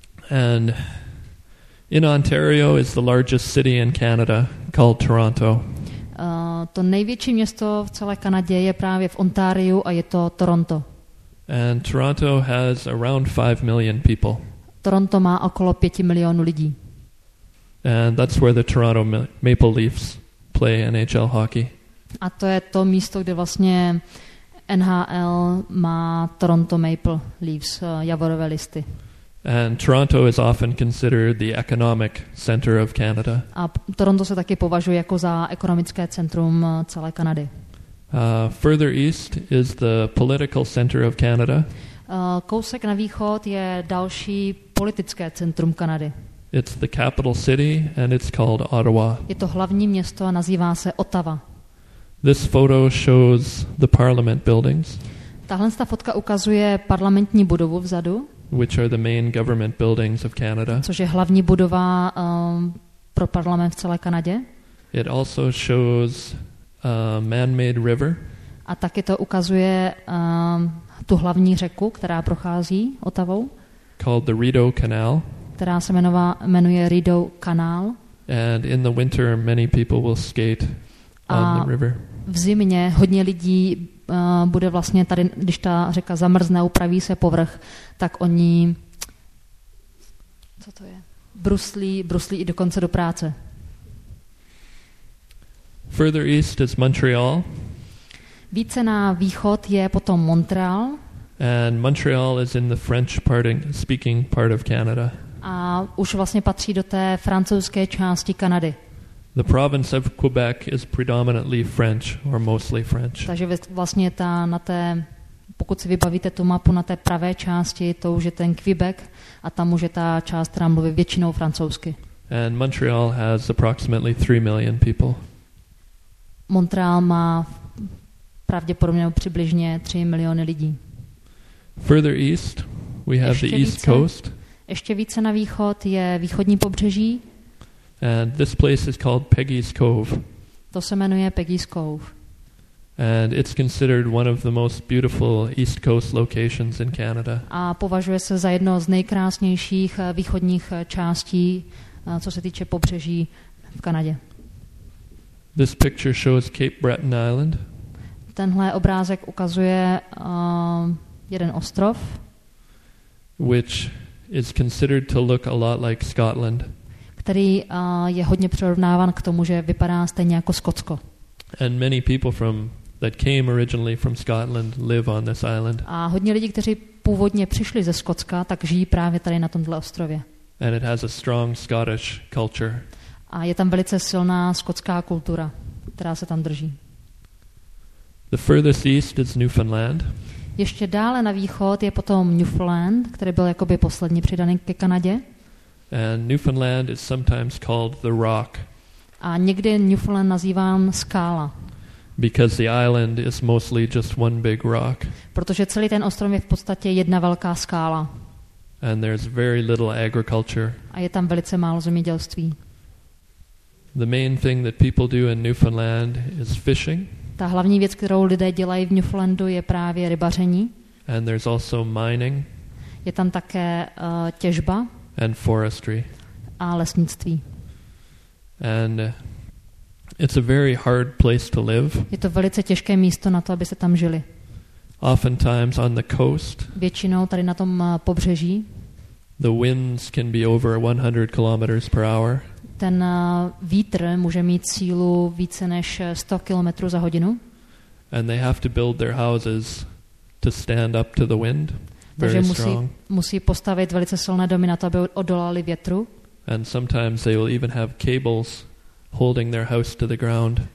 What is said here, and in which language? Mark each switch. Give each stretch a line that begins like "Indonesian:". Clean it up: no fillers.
English: And in Ontario is the largest city in Canada called Toronto.
Czech: To největší město v celé Kanadě je právě v Ontáriu a je to Toronto.
English: And Toronto has around 5 million people.
Czech: Toronto má okolo 5 milionů lidí.
English: And that's where the Toronto Maple Leafs play NHL hockey.
Czech: A to je to místo, kde vlastně NHL má Toronto Maple Leafs, javorové listy.
English: And Toronto is often considered the economic center of Canada.
Czech: A Toronto se taky považuje jako za ekonomické centrum celé Kanady.
English: Further east is the political center of Canada.
Czech: Kousek na východ je další politické centrum Kanady.
English: It's the capital city and it's called Ottawa.
Czech: Je to hlavní město a nazývá se Ottawa.
English: This photo shows the parliament buildings.
Czech: Tahle ta fotka ukazuje parlamentní budovu vzadu.
English: Which are the main government buildings of Canada.
Czech: Což je hlavní budova pro parlament v celé Kanadě.
English: It also shows a man-made river.
Czech: A taky to ukazuje tu hlavní řeku, která prochází Ottawou.
English: Called the Rideau Canal.
Czech: Která se jmenuje Rideau Canal.
English: And in the winter many people will skate on the river.
Czech: V zimě hodně lidí bude vlastně tady, když ta řeka zamrzne, upraví se povrch, tak oni co to je? Bruslí i dokonce do práce.
English: Further east is Montreal.
Czech: Více na východ je potom Montreal.
English: And Montreal is in the French speaking part of Canada.
Czech: A už vlastně patří do té francouzské části Kanady.
English: The province of Quebec is predominantly French or mostly French.
Czech: Takže vlastně ta na té, pokud si vybavíte tu mapu na té pravé části, to už je ten Quebec a tam už je ta část, která mluví většinou francouzsky.
English: And Montreal has approximately 3 million people.
Czech: Montreal má pravděpodobně přibližně 3 miliony lidí.
English: Further east, we have the East Coast.
Czech: Ještě více na východ je východní pobřeží.
English: And this place is called Peggy's Cove.
Czech: To se jmenuje Peggy's Cove.
English: And it's considered one of the most beautiful East Coast locations in Canada.
Czech: A považuje se za jedno z nejkrásnějších východních částí, co se týče pobřeží v Kanadě.
English: This picture shows Cape Breton Island.
Czech: Tenhle obrázek ukazuje jeden ostrov,
English: which is considered to look a lot like Scotland.
Czech: Který je hodně přirovnáván k tomu, že vypadá stejně jako Skotsko.
English: And many people that came originally from Scotland live on this island.
Czech: A hodně lidí, kteří původně přišli ze Skotska, tak žijí právě tady na tomto ostrově.
English: And it has a strong Scottish culture.
Czech: A je tam velice silná skotská kultura, která se tam drží.
English: The furthest east is Newfoundland.
Czech: Ještě dále na východ je potom Newfoundland, který byl jakoby poslední přidaný ke Kanadě.
English: And Newfoundland is sometimes called the Rock.
Czech: A někdy Newfoundland nazývám skála.
English: Because the island is mostly just one big rock.
Czech: Protože celý ten ostrov je v podstatě jedna velká skála.
English: And there's very little agriculture.
Czech: A je tam velice málo zemědělství.
English: The main thing that people do in Newfoundland is fishing.
Czech: Ta hlavní věc, kterou lidé dělají v Newfoundlandu, je právě rybaření.
English: And there's also mining.
Czech: Je tam také těžba.
English: And forestry.
Czech: A lesnictví.
English: And it's a very hard place to live.
Czech: Je to velice těžké místo na to, aby se tam žili.
English: Oftentimes on the coast.
Czech: Většinou tady na tom pobřeží.
English: The winds can be over 100 kilometers per hour.
Czech: Ten vítr může mít sílu více než 100 kilometrů za hodinu.
English: And they have to build their houses to stand up to the wind. Very strong.
Czech: Musí postavit velice silné domy na to, aby odolali větru.
English: And sometimes they will even have cables holding their house to the ground.